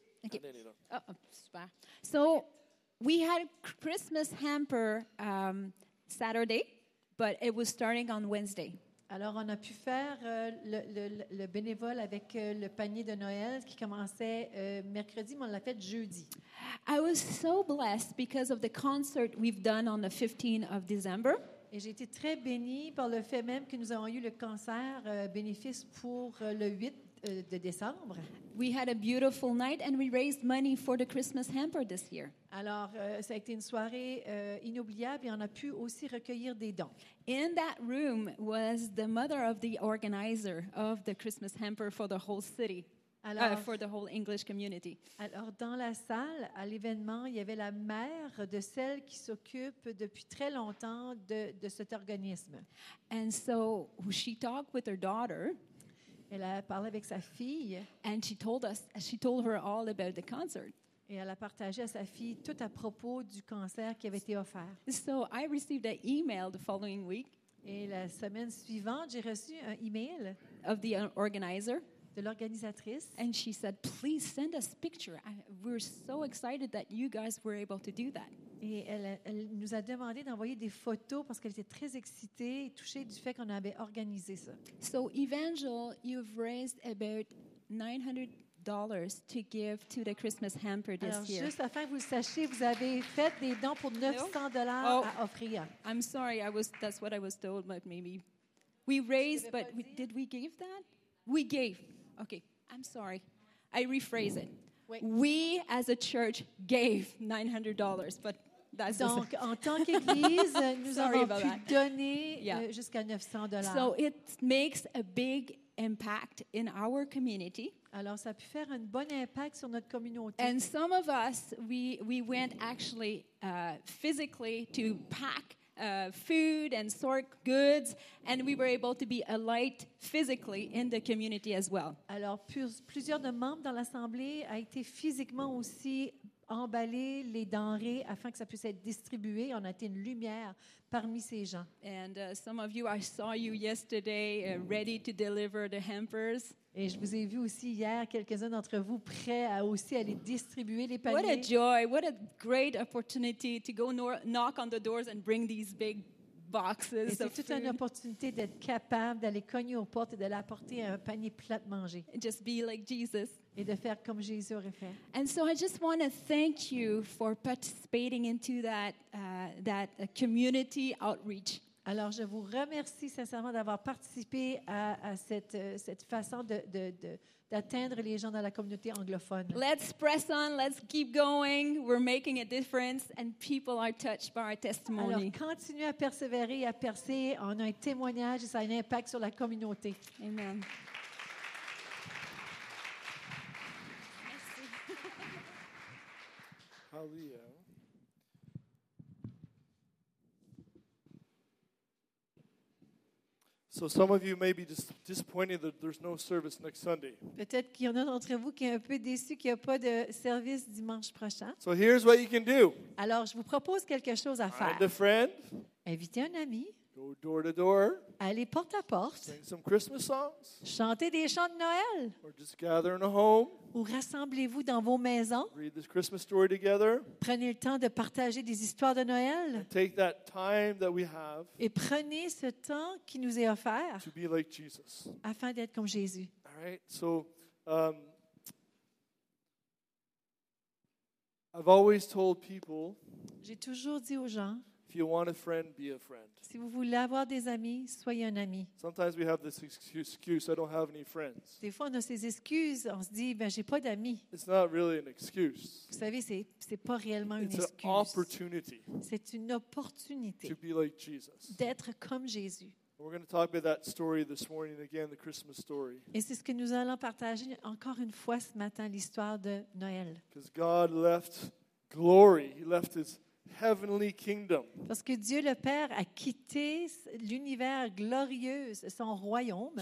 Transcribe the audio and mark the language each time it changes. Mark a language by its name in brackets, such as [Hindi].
[English] Okay. Oh, super. So, we had a Christmas hamper Saturday, but it was starting on Wednesday. [French] Alors, on a pu faire le bénévole avec le panier de Noël qui commençait mercredi, mais on l'a fait jeudi. [English] I was so blessed because of the concert we've done on the 15th of December. [French] Et j'ai été très bénie par le fait même que nous avons eu le concert bénéfice pour le 8 de décembre. [English] We had a beautiful night and we raised money for the Christmas hamper this year. [French] Alors, ça a été une soirée inoubliable et on a pu aussi recueillir des dons. [English] In that room was the mother of the organizer of the Christmas hamper for the whole city, for the whole English community. [French] Alors, dans la salle, à l'événement, il y avait la mère de celle qui s'occupe depuis très longtemps de cet organisme. [English] And so, she talked with her daughter. [French] Elle a parlé avec sa fille. [English] And she told her all about the concert. [French] Et elle a partagé à sa fille tout à propos du concert qui avait été offert. [English] So I received an email the following week. [French] Et la semaine suivante, j'ai reçu un email [English] of the organizer. [French] De l'organisatrice. [English] And she said, "Please send us picture. We're so excited that you guys were able to do that." [French] Et elle nous a demandé d'envoyer des photos parce qu'elle était très excitée et touchée du fait qu'on avait organisé ça. [English] So, Evangel, you've raised about $900 to give to the Christmas hamper this [French] Alors, [English] year. [French] Juste afin que vous le sachiez, vous avez fait des dons pour $900 à offrir. [English] I'm sorry, that's what I was told, but maybe we raised, but did we give that? We gave. Okay, I'm sorry. I rephrase it. We, as a church, gave $900, but that's [French] Donc, en tant qu'église, nous avons pu donner jusqu'à $900. [English] So it makes a big impact in our community. [French] Alors, ça a pu faire un bon impact sur notre communauté. [English] And some of us, we went actually physically to pack food and sort goods, and we were able to be a light physically in the community as well. [French] Alors, plusieurs de membres dans l'assemblée a été physiquement aussi emballer les denrées afin que ça puisse être distribué. On a été une lumière parmi ces gens. [English] And some of you, I saw you yesterday ready to deliver the hampers. [French] Et je vous ai vu aussi hier, quelques-uns d'entre vous prêts à aussi aller distribuer les paniers. [English] What a joy, what a great opportunity to go knock on the doors and bring these big boxes. [French] Et c'est toute une opportunité d'être capable d'aller cogner aux portes et d'aller apporter un panier plat de manger. [English] Just be like Jesus. [French] Et de faire comme Jésus aurait fait. [English] And so I just want to thank you for participating into that that community outreach. [French] Alors je vous remercie sincèrement d'avoir participé à cette façon d'atteindre les gens dans la communauté anglophone. [English] Let's press on, let's keep going. We're making a difference and people are touched by our testimony. [French] Alors continuez à persévérer et à percer, on a un témoignage et ça a un impact sur la communauté. [English] Amen. So some of you may be disappointed that there's no service next Sunday. [French] Peut-être qu'il y en a d'entre vous qui est un peu déçu qu'il n'y a pas de service dimanche prochain. [English] So here's what you can do. [French] Alors je vous propose quelque chose à faire. [English] Find a friend. [French] Invitez un ami. [English] Go door to door. [French] Allez porte à porte. [English] Sing some Christmas songs. [French] Chantez des chants de Noël. [English] Or just gather in a home. [French] Ou rassemblez-vous dans vos maisons. [English] Read this Christmas story together. [French] Prenez le temps de partager des histoires de Noël. [English] And take that time that we have. [French] Et prenez ce temps qui nous est offert. [English] To be like Jesus. [French] Afin d'être comme Jésus. [English] All right. So, I've always told people. [French] J'ai toujours dit aux gens. [English] If you want a friend, be a friend. [French] Si vous voulez avoir des amis, soyez un ami. [English] Sometimes we have this excuse, I don't have any friends. [French] Des fois, on a ces excuses, on se dit, ben, j'ai pas d'amis. [English] It's not really an excuse. [French] Vous savez, c'est pas réellement une excuse. [English] It's an opportunity. [French] C'est une opportunité. [English] To be like Jesus. [French] D'être comme Jésus. [English] We're going to talk about that story this morning again, the Christmas story. [French] Et c'est ce que nous allons partager encore une fois ce matin, l'histoire de Noël. [English] Because God left glory. He left his heavenly kingdom. [French] Parce que Dieu le Père a quitté l'univers glorieux, son royaume.